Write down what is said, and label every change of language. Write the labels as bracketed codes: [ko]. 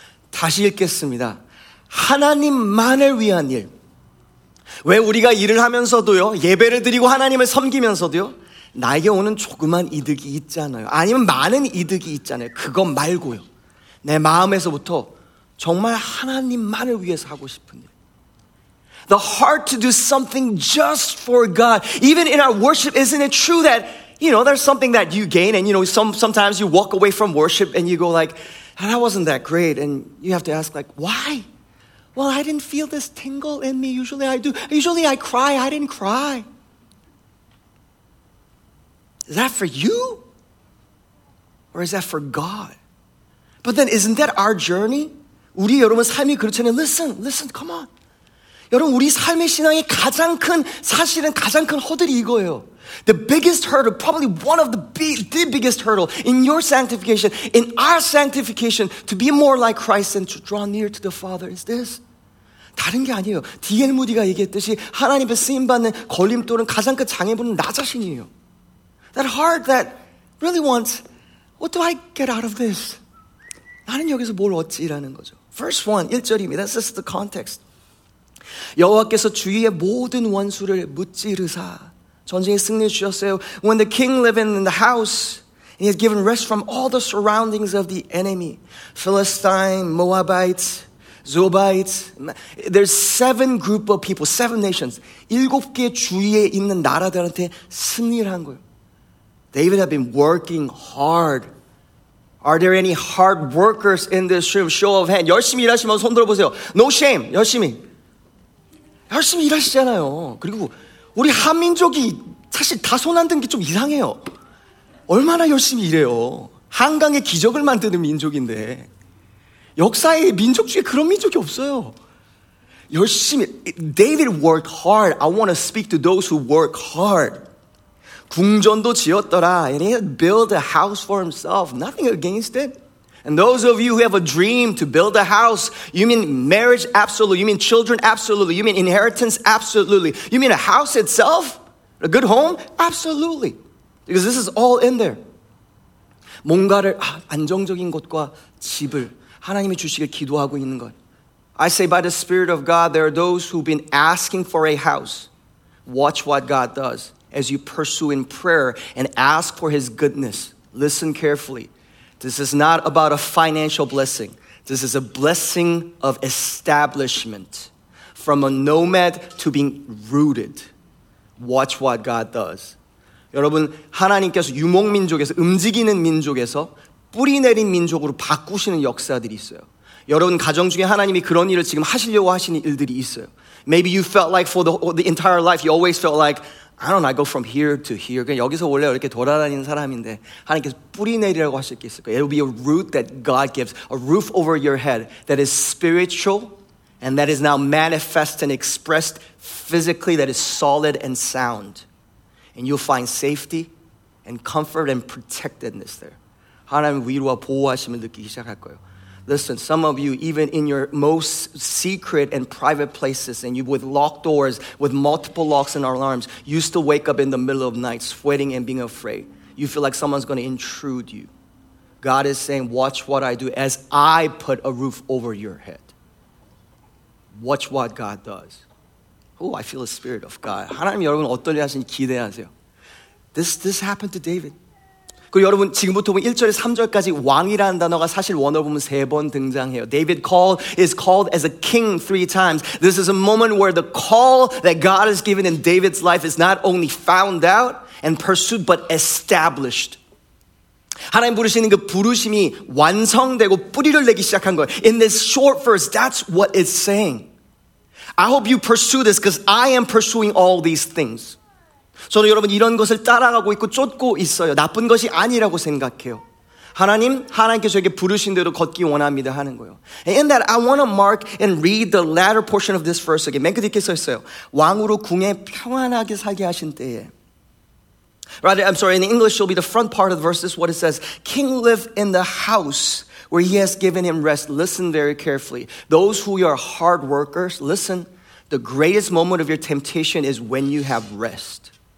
[ko] 다시 읽겠습니다. 하나님만을 위한 일. 왜 우리가 일을 하면서도요, 예배를 드리고 하나님을 섬기면서도요, 나에게 오는 조그만 이득이 있잖아요. 아니면 많은 이득이 있잖아요. 그것 말고요. 내 마음에서부터 정말 하나님만을 위해서 하고 싶은 일. [en] The heart to do something just for God. Even in our worship, isn't it true that, you know, there's something that you gain and, you know, sometimes you walk away from worship and you go like, that wasn't that great. And you have to ask like, why? Well, I didn't feel this tingle in me. Usually I do. Usually I cry. I didn't cry. Is that for you? Or is that for God? But then isn't that our journey? [ko] 우리 여러분 삶이 그렇잖아요. [en] Listen, come on. [ko] 여러분 우리 삶의 신앙의 가장 큰 사실은 가장 큰 허들이 이거예요. [en] The biggest hurdle, probably one of the biggest hurdle in your sanctification, in our sanctification, to be more like Christ and to draw near to the Father is this. [ko] 다른 게 아니에요. D.L. Moody가 얘기했듯이 하나님께 쓰임받는 걸림돌은 가장 큰 장애물은 나 자신이에요. [en] That heart that really wants, what do I get out of this? [ko] 나는 여기서 뭘 얻지라는 거죠. [en] First one, [ko] 1절입니다. [en] This is the context. [ko] 여호와께서 주위의 모든 원수를 무찌르사 전쟁에 승리 주셨어요. [en] When the king lived in the house, he had given rest from all the surroundings of the enemy. Philistine, Moabites, Zobites. There's seven group of people, seven nations. [ko] 일곱 개 주위에 있는 나라들한테 승리를 한 거예요. [en] David had been working hard. Are there any hard workers in this room? Show of hand. [ko] 열심히 일하시면 손 들어보세요. [en] No shame. [ko] 열심히. 열심히 일하시잖아요. 그리고 우리 한민족이 사실 다 손 안 든 게 좀 이상해요. 얼마나 열심히 일해요. 한강의 기적을 만드는 민족인데. 역사의 민족 중에 그런 민족이 없어요. 열심히. [en] David worked hard. I want to speak to those who work hard. [ko] 궁전도 지었더라. [en] And he had built a house for himself. Nothing against it. And those of you who have a dream to build a house, you mean marriage? Absolutely. You mean children? Absolutely. You mean inheritance? Absolutely. You mean a house itself? A good home? Absolutely. Because this is all in there. [ko] 뭔가를 안정적인 것과 집을 하나님이 주시길 기도하고 있는 것. [en] I say by the Spirit of God, there are those who've been asking for a house. Watch what God does. As you pursue in prayer and ask for his goodness, listen carefully. This is not about a financial blessing. This is a blessing of establishment. From a nomad to being rooted. Watch what God does. [ko] 여러분, 하나님께서 유목민족에서, 움직이는 민족에서 뿌리 내린 민족으로 바꾸시는 역사들이 있어요. 여러분 가정 중에 하나님이 그런 일을 지금 하시려고 하시는 일들이 있어요. [en] Maybe you felt like for the entire life, you always felt like, I don't know, I go from here to here. [ko] 그냥 여기서 원래 이렇게 돌아다니는 사람인데 하나님께서 뿌리 내리라고 하실 게 있을 거예요. [en] It will be a root that God gives, a roof over your head that is spiritual and that is now manifest and expressed physically, that is solid and sound. And you'll find safety and comfort and protectedness there. [ko] 하나님 위로와 보호하심을 느끼기 시작할 거예요. [en] Listen, some of you, even in your most secret and private places, and you with locked doors, with multiple locks and alarms, you still wake up in the middle of night sweating and being afraid. You feel like someone's going to intrude you. God is saying, watch what I do as I put a roof over your head. Watch what God does. Oh, I feel the Spirit of God. [ko] 하나님 여러분 어떤 일 하시는지 기대하세요. [en] This happened to David. [ko] 그리고 여러분 지금부터 보면 1절에서 3절까지 왕이라는 단어가 사실 원어로 보면 세 번 등장해요. [en] David is called as a king three times. This is a moment where the call that God has given in David's life is not only found out and pursued but established. [ko] 하나님 부르시는 그 부르심이 완성되고 뿌리를 내기 시작한 거예요. [en] In this short verse, that's what it's saying. I hope you pursue this because I am pursuing all these things. [ko] 저는 여러분 이런 것을 따라가고 있고 쫓고 있어요. 나쁜 것이 아니라고 생각해요. 하나님, 하나님께서 저에게 부르신 대로 걷기 원합니다 하는 거예요. [en] And in that, I want to mark and read the latter portion of this verse again. [ko] 맨 끝에 이렇게 써 있어요. 왕으로 궁에 평안하게 살게 하신 때에. [en] Rather, I'm sorry, in English, it'll be the front part of the verse. This is what it says. King live in the house where he has given him rest. Listen very carefully. Those who are hard workers, listen. The greatest moment of your temptation is when you have rest.